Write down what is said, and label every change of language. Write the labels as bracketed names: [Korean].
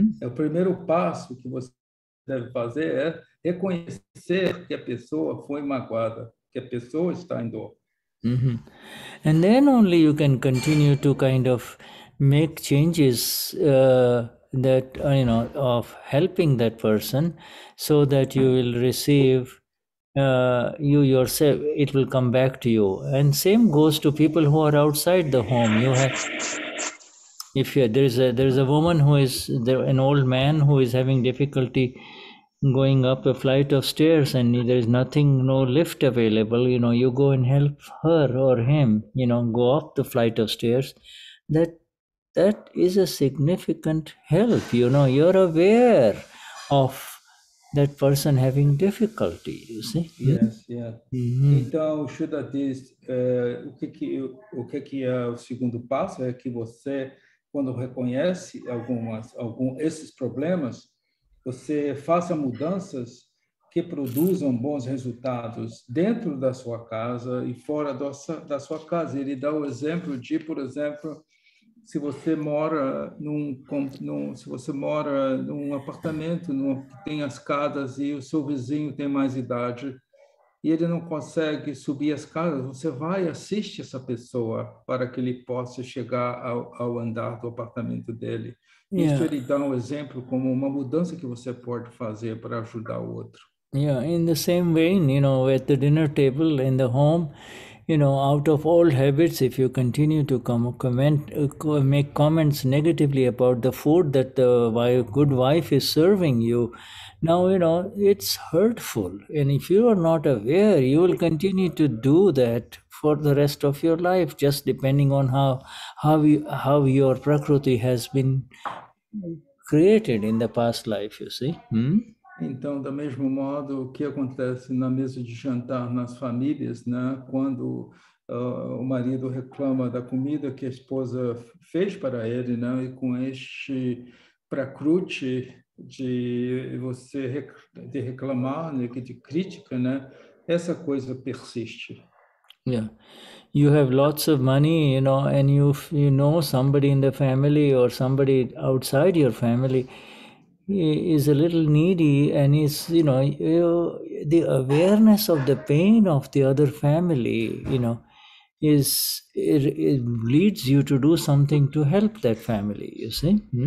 [Portuguese] O primeiro passo que você deve fazer é reconhecer que a pessoa foi magoada, que a pessoa está em dor. [English] And then only you can continue to kind of make changes that, you know, of helping that person so that you will receive you yourself, it will come back to you. And same goes to people who are outside the home. You have, if there is a woman who is there, an old man who is having difficulty going up a flight of stairs, and there is nothing, no lift available, you know, you go and help her or him, you know, go up the flight of stairs. That is a significant help, you know. You're aware of that person having difficulty, you see? Yes, yeah. [Portuguese] Então, Shuddha diz, o que é o segundo passo? É que você, quando reconhece esses problemas, você faça mudanças que produzam bons resultados dentro da sua casa e fora da sua casa. Ele dá o exemplo de, por exemplo, se você mora num apartamento que tem escadas e o seu vizinho tem mais idade e ele não consegue subir as escadas, você vai e assiste essa pessoa para que ele possa chegar ao andar do apartamento dele. Yeah. Isso ele dá um exemplo como uma mudança que você pode fazer para ajudar o outro. [English] Yeah, in the same way, you know, at the dinner table in the home, you know, out of old habits, if you continue to make comments negatively about the food that the good wife is serving you, now, you know, it's hurtful. And if you are not aware, you will continue to do that for the rest of your life, just depending on how your prakriti has been created in the past life, you see. [Portuguese] Então, do mesmo modo, o que acontece na mesa de jantar nas famílias, né? Quando o marido reclama da comida que a esposa fez para ele, né? E com este prakruti de você reclamar, né? De crítica, né? Essa coisa persiste. Yeah. [English] You have lots of money, you know, and you know somebody in the family or somebody outside your family is a little needy, and is, you know, the awareness of the pain of the other family, you know, it leads you to do something to help that family, you see.